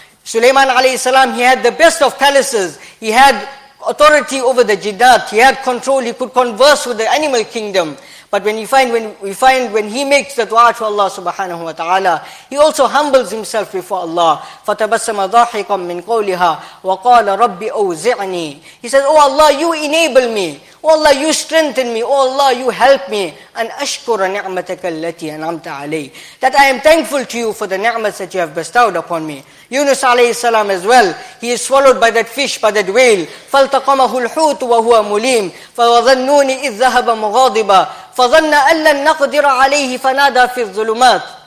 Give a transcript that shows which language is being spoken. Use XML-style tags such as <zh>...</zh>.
<en>Sulaiman alayhi salam, he had the best of palaces. He had authority over the jinnat, he had control, he could converse with the animal kingdom. But when he makes the dua to Allah subhanahu wa ta'ala, he also humbles himself before Allah.</en> <ar>فَتَبَسَّمَ ضَاحِقًا مِّن قَوْلِهَا وَقَالَ رَبِّ أَوْزِعْنِي.</ar> <en>He says, oh Allah, you enable me. Oh Allah, you strengthen me. Oh Allah, you help me.</en> <ar>أَنْ أَشْكُرَ نِعْمَتَكَ الَّتِي أَنْعَمْتَ عَلَيْهِ.</ar> <en>That I am thankful to you for the ni'mas that you have bestowed upon me. Yunus alayhi salam as well, he is swallowed by that fish, by that whale.</en> <ar>فَالْتَقَمَهُ الْحُوتُ وَهُوَ مُلِيمٌ فَوَظَنُّونِ إِذْ ذَهَبَ مُغَاضِبًا فَظَنَّ أَلَّا نَقْدِرَ عَلَيْهِ فَنَادَى فِي الظُّلُمَاتِ.</ar>